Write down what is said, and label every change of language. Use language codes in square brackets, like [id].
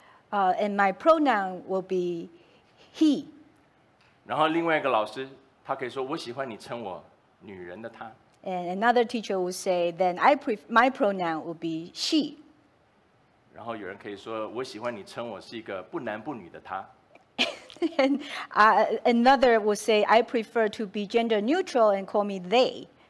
[en] And my pronoun will be he. [zh] 然后另外一个老师，他可以说我喜欢你称我女人的她。 [en] And another teacher will say, then my pronoun will be she. [zh] 然后有人可以说我喜欢你称我是一个不男不女的她。 [en] And another will say, I prefer to be gender neutral and call me they.